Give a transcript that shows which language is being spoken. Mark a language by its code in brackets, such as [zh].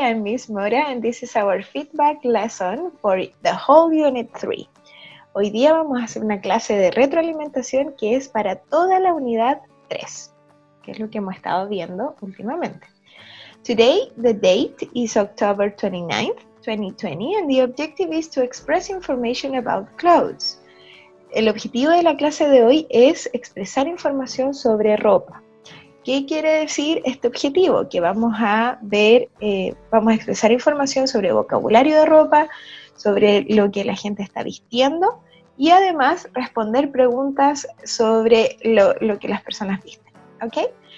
[es] I'm Miss Mora and this is our feedback lesson for the whole unit 3. [en] Hoy día vamos a hacer una clase de retroalimentación que es para toda la unidad 3, que es lo que hemos estado viendo últimamente. Today, the date is October 29th, 2020 and the objective is to express information about clothes. [es] El objetivo de la clase de hoy es expresar información sobre ropa. ¿Qué quiere decir este objetivo? Que vamos a ver, vamos a expresar información sobre vocabulario de ropa, sobre lo que la gente está vistiendo y además responder preguntas sobre lo que las personas visten, ¿ok?